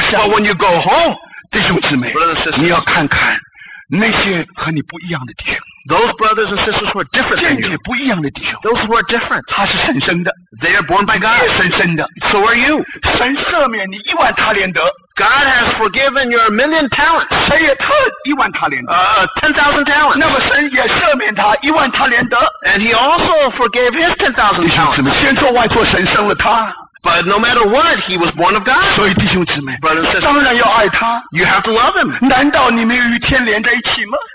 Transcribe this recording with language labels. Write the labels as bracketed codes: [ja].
[en] But when you go home, [zh] 弟兄姊妹, [en] brothers and sisters, [zh] 你要看看, 那些和你不一样的弟兄, [en] those brothers and sisters who are different than you, those who are different, [zh] 他是神生的, [en] they are born by God, [zh] 你也神生的, [en] so are you. [zh] 神赦免你一万他连德, [en] God has forgiven your 1,000,000 talents. [zh] 神也特一万他连德, [en] 10,000 talents. [zh] 那么神也赦免他一万他连德, [en] and he also forgave his 10,000 talents. But no matter what, he was born of God. [zh] 所以弟兄姊妹, [en] brother and sister, [zh] 当然要爱他, [en] you have to love him. [zh] 难道你没有与天连在一起吗?